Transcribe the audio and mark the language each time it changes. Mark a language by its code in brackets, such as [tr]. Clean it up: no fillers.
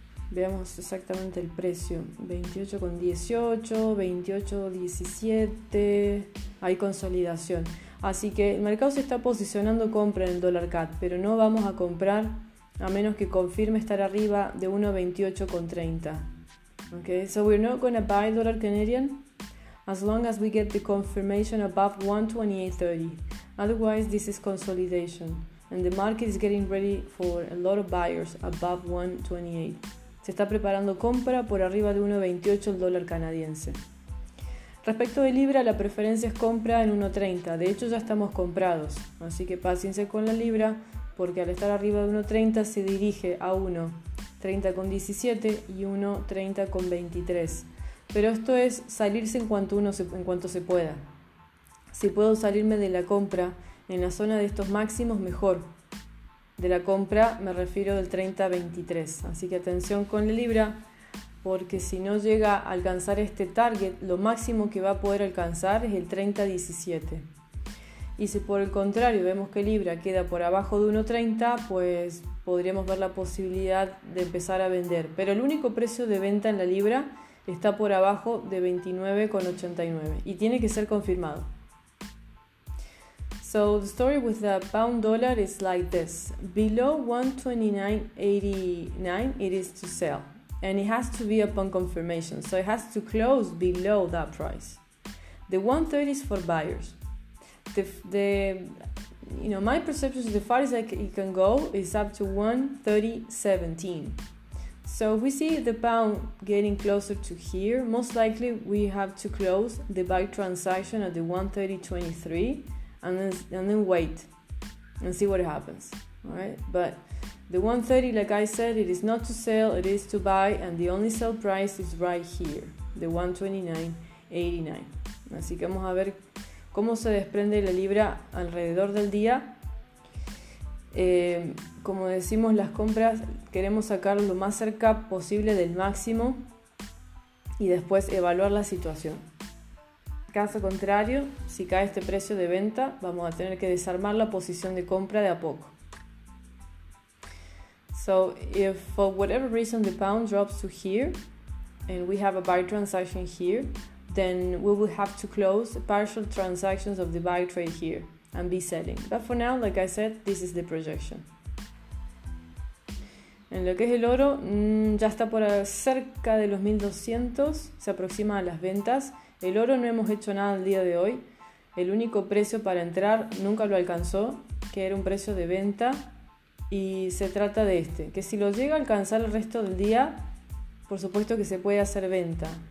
[es] Veamos exactamente el precio. 28.18, 28.17. Hay consolidación. Así que el mercado se está posicionando compra en el dólar CAD, pero no vamos a comprar a menos que confirme estar arriba de 1.28.30. [en] Okay, so we're not going to buy dollar Canadian as long as we get the confirmation above 1.2830. Otherwise, this is consolidation and the market is getting ready for a lot of buyers above 1.28. [es] Se está preparando compra por arriba de 1.28 el dólar canadiense. Respecto de libra, la preferencia es compra en 1.30. De hecho, ya estamos comprados. Así que paciencia con la libra, porque al estar arriba de 1.30 se dirige a 1.30.17 y 1.30.23. Pero esto es salirse en cuanto se pueda. Si puedo salirme de la compra en la zona de estos máximos, mejor. De la compra me refiero del 30.23. Así que atención con la libra. Porque si no llega a alcanzar este target, lo máximo que va a poder alcanzar es el 30.17. Y si por el contrario vemos que Libra queda por abajo de 1.30, pues podríamos ver la posibilidad de empezar a vender. Pero el único precio de venta en la Libra está por abajo de 29.89 y tiene que ser confirmado. [en] So the story with the pound dollar is like this. Below 1.2989 it is to sell. And it has to be upon confirmation. So it has to close below that price. The 1.30 is for buyers. The my perception is the farthest it can go is up to 1.3017. So if we see the pound getting closer to here, most likely we have to close the buy transaction at the 1.3023 and then wait and see what happens. All right, but the 1.30, like I said, it is not to sell, it is to buy, and the only sell price is right here, the 1.2989. [es] Así que vamos a ver cómo se desprende la libra alrededor del día. Como decimos, las compras queremos sacar lo más cerca posible del máximo y después evaluar la situación. Caso contrario, si cae este precio de venta, vamos a tener que desarmar la posición de compra de a poco. [en] So if for whatever reason the pound drops to here and we have a buy transaction here, then we will have to close partial transactions of the buy trade here and be selling. But for now, like I said, this is the projection. [es] En lo que es el oro, ya está por cerca de los 1200, se aproxima a las ventas. El oro no hemos hecho nada el día de hoy. El único precio para entrar nunca lo alcanzó, que era un precio de venta. Y se trata de este, que si lo llega a alcanzar el resto del día, por supuesto que se puede hacer venta.